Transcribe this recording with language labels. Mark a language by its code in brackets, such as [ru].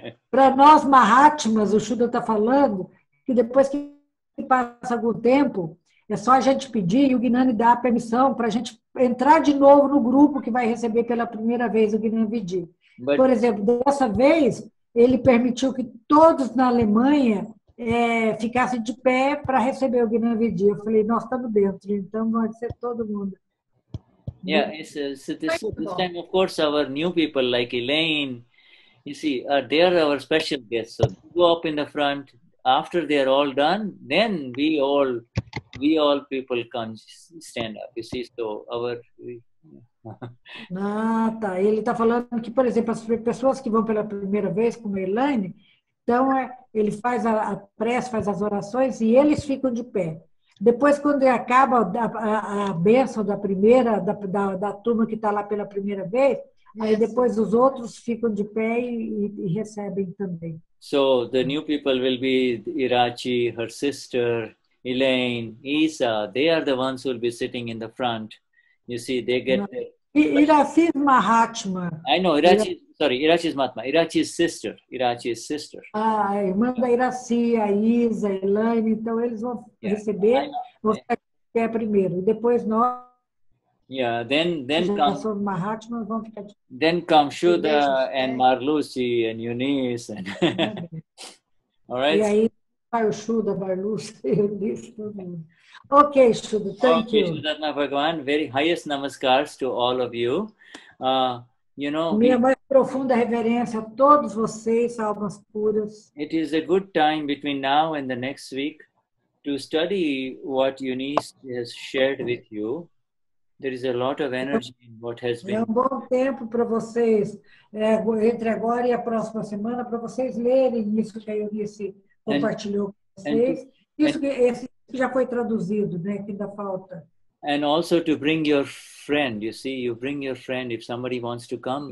[pt] Para nós, Mahatmas, o Shuddha está falando que depois que passa algum tempo, é só a gente pedir e o Gnani dá a permissão para a gente entrar de novo no grupo que vai receber pela primeira vez o Gnani Vidi. Por exemplo, dessa vez, ele permitiu que todos na Alemanha ficassem de pé para receber o Gnani Vidi. Eu falei, nós estamos dentro, então vai ser todo mundo. [en] Yeah, this time, of course, our new people like Elaine, you see, they are our special guests. So go up in the front. After they are all done, then we all people can stand up. You see, so our. [pt] Ah, tá. Ele está falando que, por exemplo, as pessoas que vão pela primeira vez com Elaine, então ele faz a prece, faz as orações e eles ficam de pé. Depois, quando acaba a bênção da primeira, da turma que está lá pela primeira vez, aí depois os outros ficam de pé e recebem também. [en] So, the new people will be Irachi, her sister, Elaine, Isa. They are the ones who will be sitting in the front. You see, they get... Irachi is Mahatma. I know, Irachi is Mahatma. Irachi's sister. [pt] Ah, a irmã da Irachi, a Isa, a Elaine, então eles vão receber, vão ficar de pé primeiro. E depois nós... [en] Yeah, then come [pt] Mahatma, vão ficar de pé. [en] Then come Shuddha and Marluce and Eunice. And... All right? [pt] E aí vai o Shuddha, Marluce, Eunice, todo mundo. [en] Ok, Shuddha, thank you. Shuddha Bhagavan, very highest namaskars to all of you. You know, [pt] minha mais profunda reverência a todos vocês, almas puras. [en] It is a good time between now and the next week to study what Eunice has shared with you. There is a lot of energy in what has been. [pt] É um bom tempo para vocês, entre agora e a próxima semana, para vocês lerem isso que a Eunice compartilhou com vocês. Já foi traduzido, né? Que ainda falta. [en] And also to bring your friend, you see, you bring your friend if somebody wants to come.